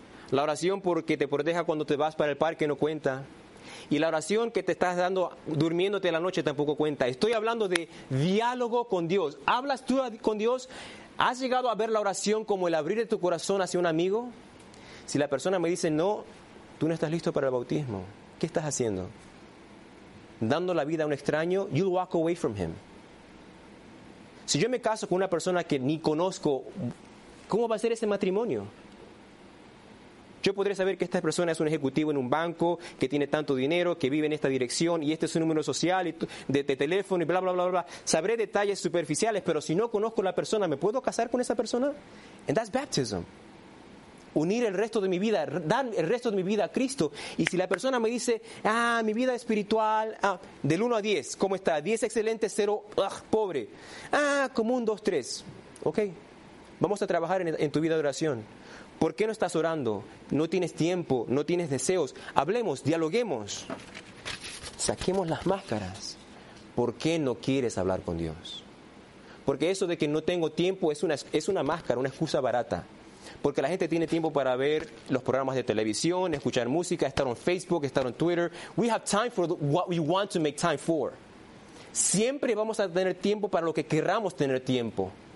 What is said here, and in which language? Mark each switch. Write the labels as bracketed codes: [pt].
[es] La oración porque te proteja cuando te vas para el parque no cuenta. Y la oración que te estás dando durmiéndote la noche tampoco cuenta. Estoy hablando de diálogo con Dios. ¿Hablas tú con Dios? ¿Has llegado a ver la oración como el abrir de tu corazón hacia un amigo? Si la persona me dice, no, tú no estás listo para el bautismo, ¿qué estás haciendo? Dando la vida a un extraño, [en] you'll walk away from him. [es] Si yo me caso con una persona que ni conozco, ¿cómo va a ser ese matrimonio? Yo podría saber que esta persona es un ejecutivo en un banco, que tiene tanto dinero, que vive en esta dirección, y este es su número social y de teléfono y bla, bla, bla, bla. Sabré detalles superficiales, pero si no conozco a la persona, ¿me puedo casar con esa persona? [en] And that's baptism. [es] Unir el resto de mi vida, dar el resto de mi vida a Cristo. Y si la persona me dice, mi vida espiritual, del 1 a 10, ¿cómo está? 10 excelente, 0, pobre. Como un 2, 3. Ok, vamos a trabajar en tu vida de oración. ¿Por qué no estás orando? ¿No tienes tiempo? ¿No tienes deseos? Hablemos, dialoguemos. Saquemos las máscaras. ¿Por qué no quieres hablar con Dios? Porque eso de que no tengo tiempo es una máscara, una excusa barata. Porque la gente tiene tiempo para ver los programas de televisión, escuchar música, estar en Facebook, estar en Twitter. [en] We have time for what we want to make time for. [es] Siempre vamos a tener tiempo para lo que queramos tener tiempo.